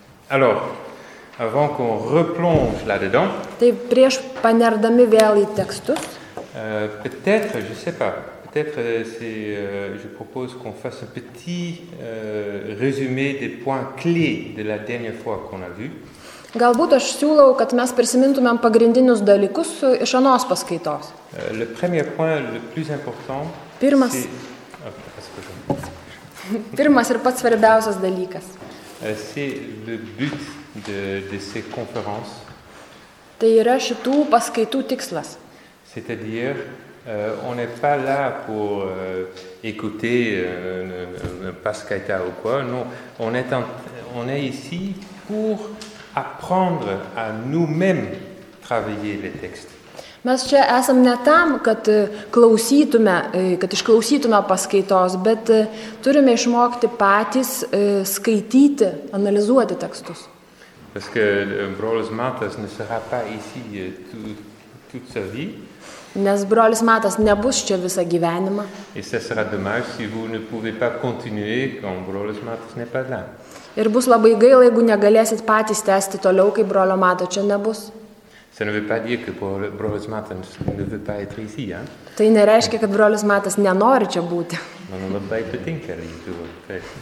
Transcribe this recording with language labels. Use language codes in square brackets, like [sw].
[fr] Alors, avant qu'on replonge là-dedans. [lt] Tai prieš panerdami vėl į tekstus. [fr] Peut-être, je sais pas. Peut-être c'est je propose qu'on fasse un petit résumé des points clés de la dernière fois qu'on a vu. [lt] Galbūt aš siūlau, kad mes prisimintumėm pagrindinius dalykus iš anos paskaitos. [fr] Le premier point le plus important. [lt] Pirmas ir pats svarbiausias dalykas. [fr] C'est le but de ces conférences. [lt] Tai yra šitų paskaitų tikslas. [fr] C'est-à-dire on n'est pas là pour écouter un pascaita ou quoi. Non, on est ici pour apprendre à nous-mêmes travailler les textes. [lt] Mes čia esam ne tam, kad klausytume, kad išklausytume paskaitos, bet turime išmokti patys skaityti, analizuoti tekstus. [fr] Parce que brolis Matas ne sera pas ici toute sa vie. [lt] Nes brolis Matas nebus čia visą gyvenimą. [fr] Et ce sera dommage si vous ne pouvez pas continuer quand brolis Matas n'est pas là. [lt] Ir bus labai gaila, jeigu negalėsit patys tęsti toliau, kai brolio Mato čia nebus. [fr] Ça ne veut pas dire que brolis Matas ne veut pas être ici, hein? [lt] Tai nereiškia, kad brolis Matas nenori čia būti. Man labai patinka lietuvių.